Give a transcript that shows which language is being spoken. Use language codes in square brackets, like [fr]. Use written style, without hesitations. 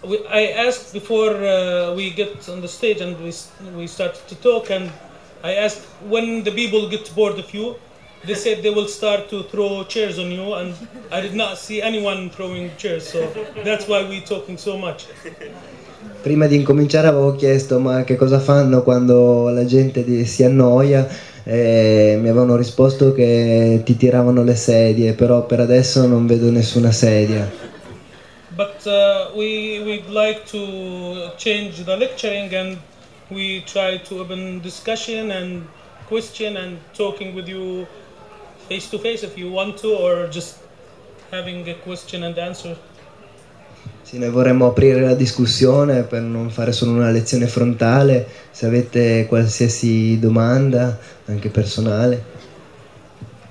[en] I asked before we get on the stage and we started to talk, and I asked when the people get bored of you, they said they will start to throw chairs on you, and I did not see anyone throwing chairs, so that's why we're talking so much. [it] Prima di incominciare avevo chiesto ma che cosa fanno quando la gente si annoia, e mi avevano risposto che ti tiravano le sedie, però per adesso non vedo nessuna sedia. [en] But we'd like to change the lecturing, and we try to open discussion and question and talking with you face to face if you want to, or just having a question and answer. [it] Sì, noi vorremmo aprire la discussione per non fare solo una lezione frontale. Se avete qualsiasi domanda, anche personale.